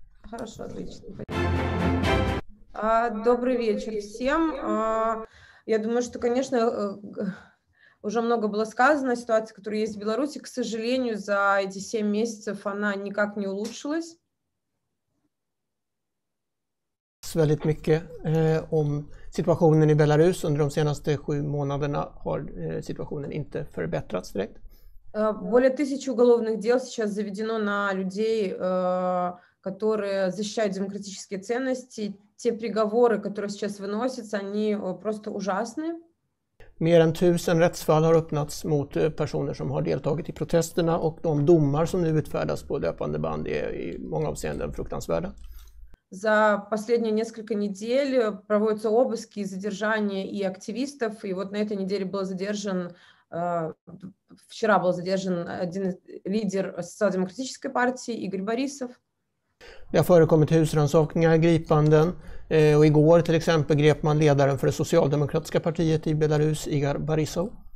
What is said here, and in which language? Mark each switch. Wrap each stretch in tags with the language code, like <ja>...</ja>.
<ru>Хорошо, отлично. Добрый вечер всем. Я думаю, что, конечно, уже много было сказано о ситуации, которая есть в Беларуси. К сожалению, за эти 7 месяцев она никак не улучшилась.</ru> <sv>Väldigt mycket om situationen i Belarus under de senaste 7 månaderna har situationen inte förbättrats direkt.</sv> <ru>Более 1000 уголовных дел сейчас заведено на людей, которые защищают демократические ценности. Те приговоры, которые сейчас выносятся, они просто ужасны.</ru> <sv>Mer än 1000 rättsfall har öppnats mot personer som har deltagit i protesterna och de domar som nu utfärdas på löpande band är i många avseenden fruktansvärda.</sv> <ru>За последние несколько недель проводятся обыски и задержания и активистов. И вот на этой неделе был задержан, вчера был задержан один лидер социал-демократической партии Игорь Борисов.</ru> <sv>Det har förekommit husransakningar, gripanden. Och igår till exempel grep man ledaren för det socialdemokratiska partiet i Belarus, Игорь Борисов.</sv>